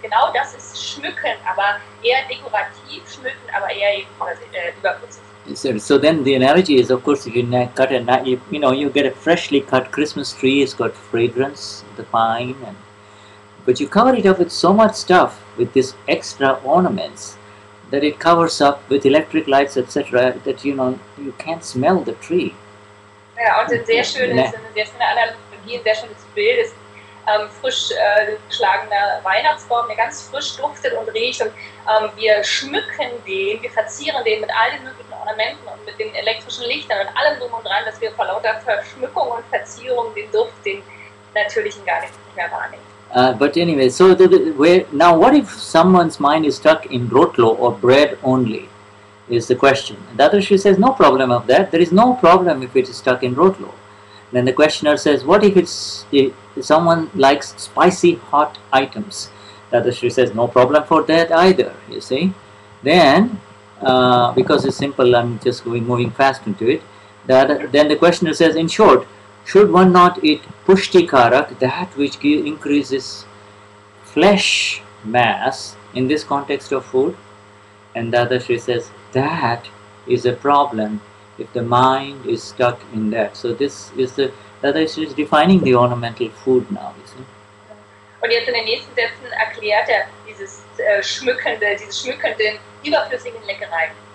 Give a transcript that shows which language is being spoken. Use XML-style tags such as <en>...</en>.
<de>Genau das ist schmücken, aber eher dekorativ schmücken, aber eher überflüssig.</de> <en>So then the analogy is, of course, you get a freshly cut Christmas tree, it's got fragrance, the pine, but you cover it up with so much stuff, with this extra ornaments, that it covers up with electric lights, etc., that, you know, you can't smell the tree.</en> <de>Ja, und eine sehr schöne Analogie, ein sehr schönes Bild ist, frisch geschlagener Weihnachtsbaum, der ganz frisch duftet und riecht, und wir schmücken den, wir verzieren den mit all den möglichen Ornamenten und mit den elektrischen Lichtern und allem drum und dran, dass wir vor lauter Verschmückung und Verzierung den Duft, den natürlichen, gar nicht mehr wahrnehmen.</de> <en>But anyway, so now what if someone's mind is stuck in rotlo or bread only, is the question. And Dadashri says, no problem of that, there is no problem if it is stuck in rotlo. Then the questioner says, what if someone likes spicy hot items? Dadashri says, no problem for that either, you see. Then, because it's simple, I'm just moving fast into it. Then the questioner says, in short, should one not eat pushtikarak, that which increases flesh mass in this context of food? And Dadashri says, that is a problem if the mind is stuck in that. So this is the Dadashri is defining the ornamental food now, you see.</en> <de>Und jetzt in den nächsten Sätzen erklärt dieses schmückende, überflüssigen Leckereien.</de>